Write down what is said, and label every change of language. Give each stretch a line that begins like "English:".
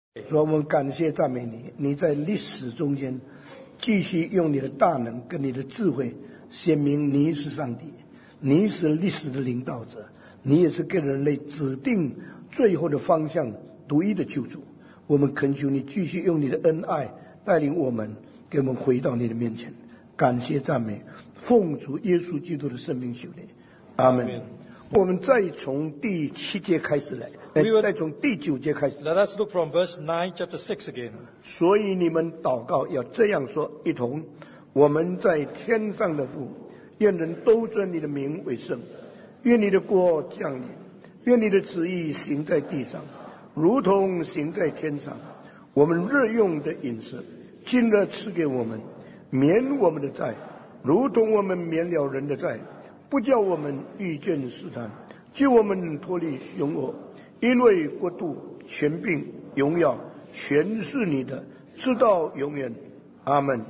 Chinese: 所以我们感谢赞美你，你在历史中间继续用你的大能跟你的智慧显明你是上帝，你是历史的领导者，你也是给人类指定最后的方向，独一的救主。我们恳求你继续用你的恩爱带领我们，给我们回到你的面前。感谢赞美，奉主耶稣基督的圣名求你，阿门。我们再从第七节开始来，再从第九节开始。
English: Let us look from verse 9, chapter 6 again.
Chinese: 所以你们祷告要这样说，一同，我们在天上的父，愿人都尊你的名为圣，愿你的国降临，愿你的旨意行在地上，如同行在天上。我们日用的饮食，今日赐给我们，免我们的债，如同我们免了人的债，不叫我们遇见试探，救我们脱离凶恶，因为国度、权柄、荣耀，全是你的，直到永远。阿们。